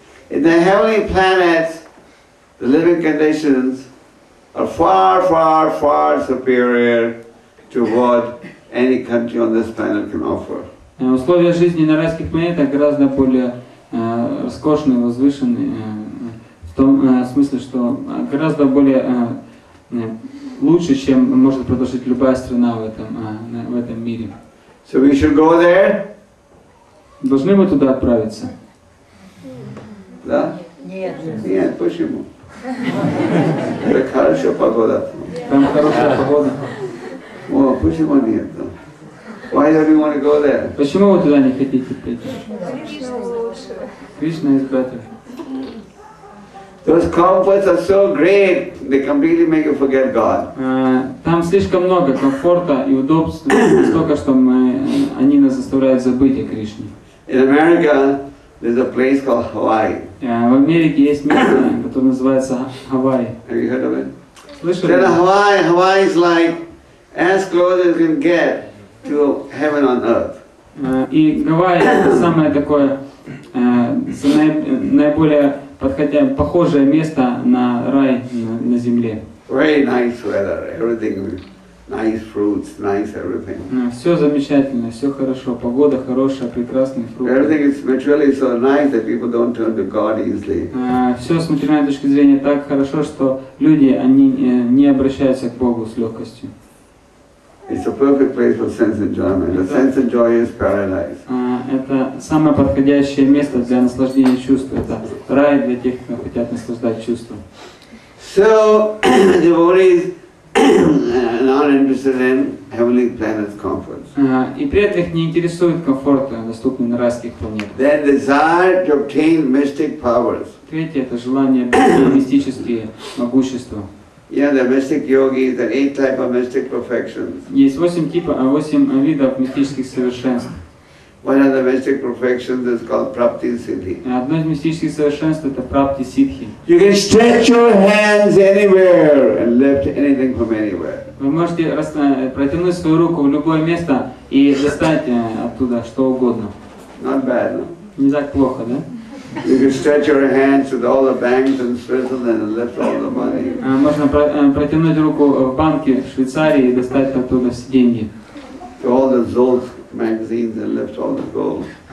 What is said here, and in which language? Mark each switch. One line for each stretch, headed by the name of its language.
English: In the heavenly planets, the living conditions are far, far, far superior to what any country on this planet can offer.
Russian: Условия жизни на райских планетах гораздо более роскошные, возвышенные, в том смысле, что гораздо более лучше, чем может предложить любая страна в этом мире.
English: So we should go there?
Russian: Должны мы туда отправиться? Да? Нет. Нет, почему? Это хорошая погода. Там хорошая погода. О, почему нет? Да?
English: Why do you want to go there?
Russian: Почему вы туда не хотите прийти? Кришна лучше.
English: Кришна is better. Those comforts are so great, they completely make you forget God.
Russian: Там слишком много комфорта и удобств, столько, что они нас заставляют забыть о Кришне.
English: In America, there's a place called Hawaii.
Russian: В Америке есть место, которое называется Гавайи.
English: Have you heard of it?
Russian: Слышали?
English: Then Hawaii is like as close as you can get to heaven on earth.
Russian: И Гавайи это самое такое наиболее похожее место на рай на земле.
English: Very nice weather, everything, nice fruits, nice everything.
Russian: Все замечательно, все хорошо, погода хорошая, прекрасные фрукты.
English: Everything is materially so nice that people don't turn to God easily.
Russian: Все с материальной точки зрения так хорошо, что люди они не обращаются к Богу с легкостью.
English: It's a perfect place for sense enjoyment. The sense of joy is paradise.
Russian: Это самое подходящее место для наслаждения чувств. Это рай для тех, кто хотят наслаждать чувством.
English: So devotees not interested in heavenly planet comforts.
Russian: И при этом их не интересует комфорт, доступный на райских планетах.
English: Then desire to obtain mystic powers.
Russian: Третье это желание обрести мистические могущества.
English: Yeah, the mystic yogis, the eight type of mystic perfections.
Russian: Есть восемь типов, восемь видов мистических совершенств.
English: One of the mystic perfections is called prapti siddhi.
Russian: Одно из мистических совершенств это прапти сиддхи.
English: You can stretch your hands anywhere and lift anything from anywhere.
Russian: Вы можете протянуть свою руку в любое место и достать оттуда что угодно.
English: Not bad.
Russian: Не так плохо, да?
English: You can stretch your hands with all the banks in Switzerland and lift all the money.
Russian: Можно протянуть руку в банке Швейцарии и достать оттуда все деньги.
English: All the Zolt magazines and lift all the gold.